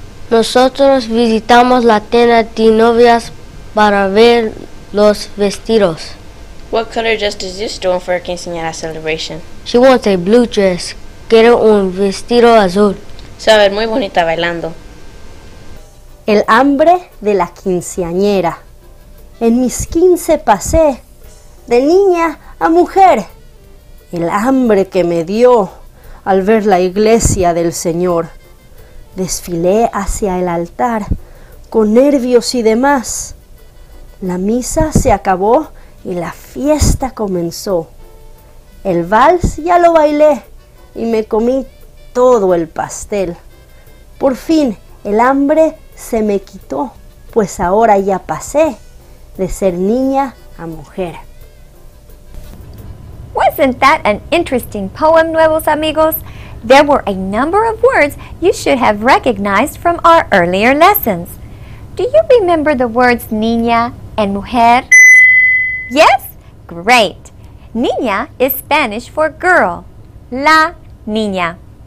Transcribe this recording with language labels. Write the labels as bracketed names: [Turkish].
[Spanish] Nosotros visitamos la tienda de novias para ver los vestidos. [English] What color dress does this do for a quinceañera celebration? She wants a blue dress. [Spanish] Quiero un vestido azul. Se va a ver muy bonita bailando. El hambre de la quinceañera. En mis 15 pasé de niña a mujer. El hambre que me dio al ver la iglesia del Señor. Desfilé hacia el altar, con nervios y demás. La misa se acabó y la fiesta comenzó. El vals ya lo bailé y me comí todo el pastel. Por fin el hambre se me quitó, pues ahora ya pasé de ser niña a mujer. [English] Wasn't that an interesting poem, Nuevos Amigos? There were a number of words you should have recognized from our earlier lessons. Do you remember the words niña and mujer? Yes? Great! Niña is Spanish for girl, la niña.